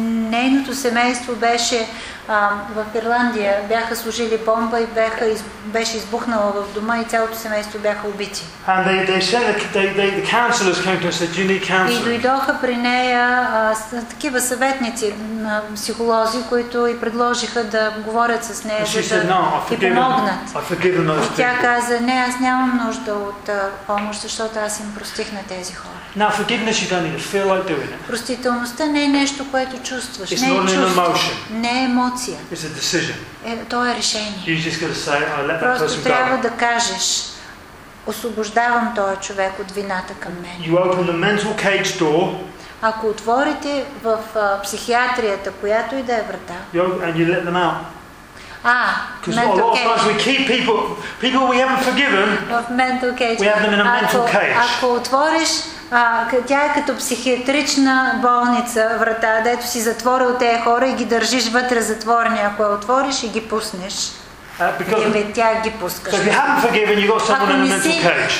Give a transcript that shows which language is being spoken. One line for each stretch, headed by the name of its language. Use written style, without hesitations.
Bulgarian: Нейното семейство беше в Ирландия, бяха сложили бомба и беше избухнала в дома и цялото семейство бяха убити.
English: And the counselors came to her and said, "You need counseling."
Bulgarian: И дойдоха при нея такива съветници, психолози, които и предложиха да говорят с нея, за да и помогнат.
English: I've forgiven those people.
Bulgarian: Тя каза: "Не, аз нямам нужда от помощ, защото аз им простих на тези хора."
English: Now forgiveness you don't need to feel like doing it.
Bulgarian: Простителността не е нещо, което чувстваш.
English: It's not an emotion.
Bulgarian: Не е емоция.
English: It's a decision.
Bulgarian: То е решение.
English: You just gotta say, I let that person go.
Bulgarian: Просто трябва да кажеш: освобождавам този човек от вината към мен.
English: You open the mental cage door.
Bulgarian: Ако отворите в психиатрията, която и да е врата.
English: And you let them out. Because a lot of times we keep people we haven't forgiven.
Bulgarian: В
English: mental cage. We have them in a mental cage.
Bulgarian: Ако отвориш тя е като психиатрична болница, врата, дето си затворил тези хора и ги държиш вътре затворени. Ако я отвориш и ги пуснеш, тя ги пускаш.
English: So if you haven't forgiven, you got someone in a mental cage.